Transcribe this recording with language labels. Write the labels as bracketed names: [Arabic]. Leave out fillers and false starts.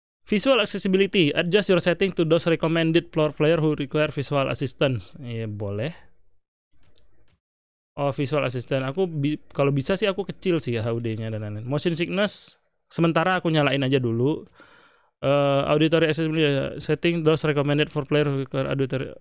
[English] Visual accessibility, adjust your setting to those recommended floor player who require visual assistance. [Indonesian] Iya, boleh. [English] Oh, visual assistant. [Indonesian] Aku kalau bisa sih aku kecil sih HUD-nya dan lain-lain. Motion sickness, sementara aku nyalain aja dulu. [English] Auditory accessibility, setting those recommended for player who require auditory.